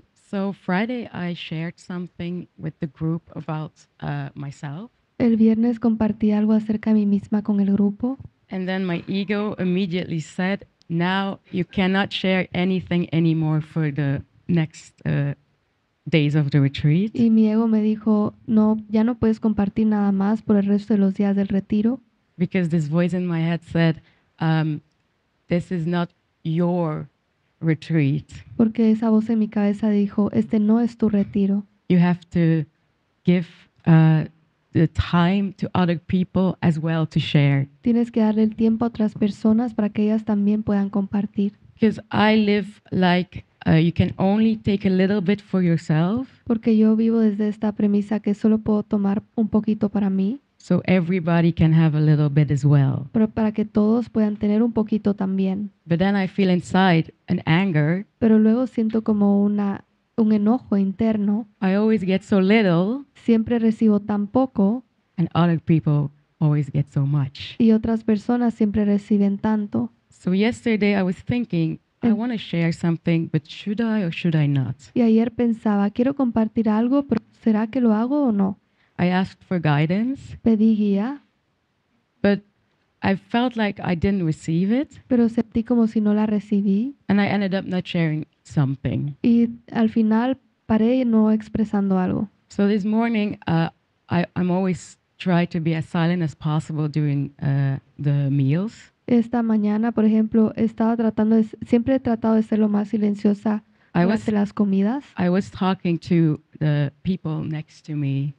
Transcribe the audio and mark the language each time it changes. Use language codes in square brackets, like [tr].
[en] So Friday I shared something with the group about myself. [es] El viernes compartí algo acerca de mí misma con el grupo. [en] And then my ego immediately said, now you cannot share anything anymore for the next days of the retreat. [es] Y mi ego me dijo, no, ya no puedes compartir nada más por el resto de los días del retiro. [en] Because this voice in my head said, this is not your retreat. [es] Porque esa voz en mi cabeza dijo, este no es tu retiro. [en] You have to give the time to other people as well to share. [es] Tienes que darle el tiempo a otras personas para que ellas también puedan compartir. [en] Because I live like you can only take a little bit for yourself. [es] Porque yo vivo desde esta premisa que solo puedo tomar un poquito para mí. [en] So everybody can have a little bit as well. [es] Pero para que todos puedan tener un poquito también. [en] But then I feel inside an anger. [es] Pero luego siento como un enojo interno. [en] I always get so little. [es] Siempre recibo tan poco. [en] And other people always get so much. [es] Y otras personas siempre reciben tanto. [en] So yesterday I was thinking, I want to share something, but should I or should I not? [es] Y ayer pensaba, quiero compartir algo, pero ¿será que lo hago o no? [en] I asked for guidance. [es] Pedí guía. [en] But I felt like I didn't receive it. [es] Pero sentí como si no la recibí. [en] And I ended up not sharing something. [es] Y al final paré no expresando algo. [en] So this morning, I'm always try to be as silent as possible during the meals. [es] Esta mañana, por ejemplo, siempre he tratado de ser lo más silenciosa. [en] I was talking to the people next to me.